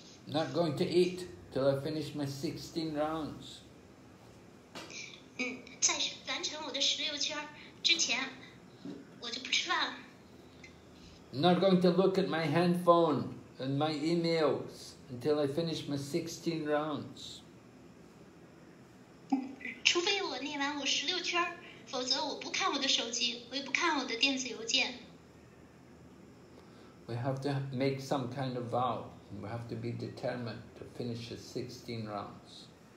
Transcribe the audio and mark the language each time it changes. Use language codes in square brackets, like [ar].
[en] Not going to eat till I finish my 16 rounds. [zh] 在完成我的16圈之前，我就不吃饭了。 [en] Not going to look at my handphone and my emails until I finish my 16 rounds. [zh] 除非我念完我16圈，否则我不看我的手机，我也不看我的电子邮件。 [en] We have to make some kind of vow. We have to be determined to finish the 16 rounds.